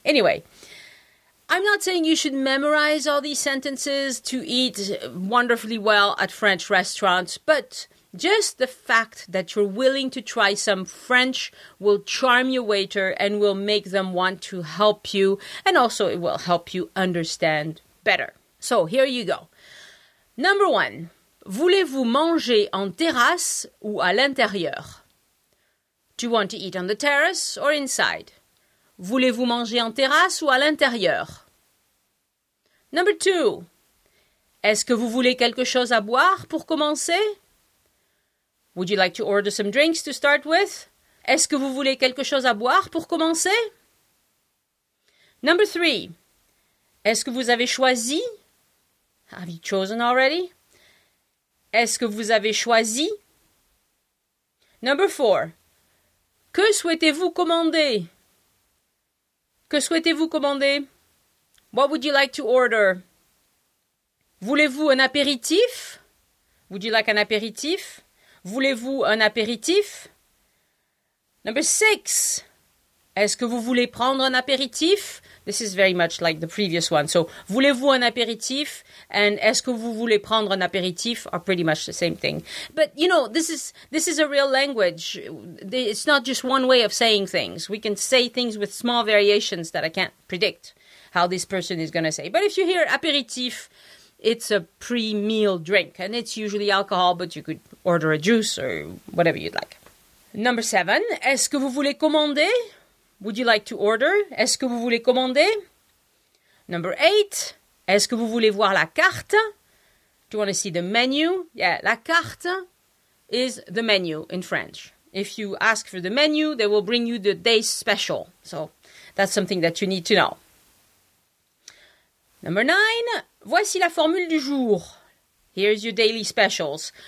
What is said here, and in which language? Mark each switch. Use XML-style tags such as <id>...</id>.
<en>Anyway, I'm not saying you should memorize all these sentences to eat wonderfully well at French restaurants, but just the fact that you're willing to try some French will charm your waiter and will make them want to help you. And also it will help you understand better. So here you go.</en> <fr>Number one, voulez-vous manger en terrasse ou à l'intérieur?</fr> <en>Do you want to eat on the terrace or inside?</en> <fr>Voulez-vous manger en terrasse ou à l'intérieur?</fr> <en>Number two,</en> <fr>est-ce que vous voulez quelque chose à boire pour commencer?</fr> <en>Would you like to order some drinks to start with?</en> <fr>Est-ce que vous voulez quelque chose à boire pour commencer?</fr> <en>Number three.</en> <fr>Est-ce que vous avez choisi?</fr> <en>Have you chosen already?</en> <fr>Est-ce que vous avez choisi?</fr> <en>Number four.</en> <fr>Que souhaitez-vous commander? Que souhaitez-vous commander?</fr> <en>What would you like to order?</en> <fr>Voulez-vous un apéritif?</fr> <en>Would you like an apéritif?</en> <fr>Voulez-vous un apéritif?</fr> <en>Number six.</en> <fr>Est-ce que vous voulez prendre un apéritif?</fr> <en>This is very much like the previous one. So,</en> <fr>voulez-vous un apéritif? And est-ce que vous voulez prendre un apéritif?</fr> <en>Are pretty much the same thing. But, you know, this is a real language. It's not just one way of saying things. We can say things with small variations that I can't predict how this person is going to say. But if you hear apéritif, it's a pre-meal drink, and it's usually alcohol, but you could order a juice or whatever you'd like. Number seven,</en> <fr>est-ce que vous voulez commander?</fr> <en>Would you like to order?</en> <fr>Est-ce que vous voulez commander?</fr> <en>Number eight,</en> <fr>est-ce que vous voulez voir la carte?</fr> <en>Do you want to see the menu? Yeah, la carte is the menu in French. If you ask for the menu, they will bring you the day special. So that's something that you need to know. Number nine,</en> <fr>voici la formule du jour.</fr> <en>Here's your daily specials.</en>